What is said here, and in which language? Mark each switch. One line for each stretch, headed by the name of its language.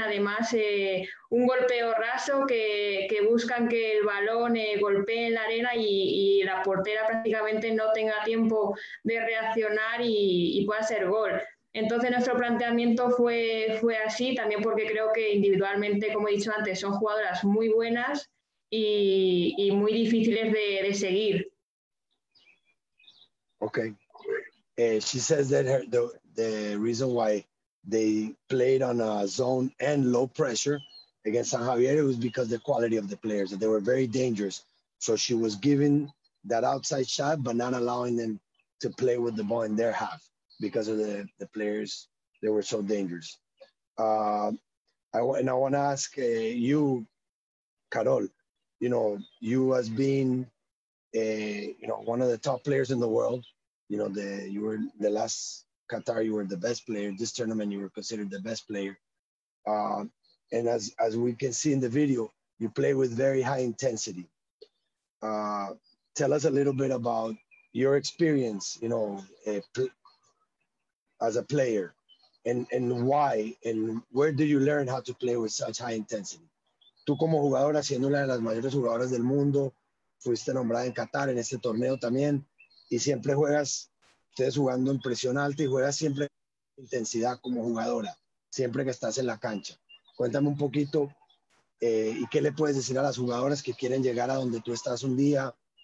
Spanish: Además, un golpeo raso que buscan que el balón golpee en la arena y la portera prácticamente no tenga tiempo de reaccionar y pueda hacer gol. Entonces, nuestro planteamiento fue así, también porque creo que individualmente, como he dicho antes, son jugadoras muy buenas y muy difíciles de seguir.
English: Okay. She says that the reason why they played on a zone and low pressure against San Javier was because the quality of the players, that they were very dangerous. So she was giving that outside shot, but not allowing them to play with the ball in their half because of the players, they were so dangerous. I want to ask you, Carol, you know, you as being one of the top players in the world, you know, you were the last Qatar, you were the best player. This tournament, you were considered the best player. And as we can see in the video, you play with very high intensity. Tell us a little bit about your experience, you know, as a player and why and where did you learn how to play with such high intensity?
Spanish: Tú como jugadora, siendo una de las mayores jugadoras del mundo, fuiste nombrada en Qatar en este torneo también, y siempre juegas, ustedes jugando en presión alta y juegas siempre intensidad como jugadora, siempre que estás en la cancha. Cuéntame un poquito, ¿y qué le puedes decir a las jugadoras que quieren llegar a donde tú estás un día?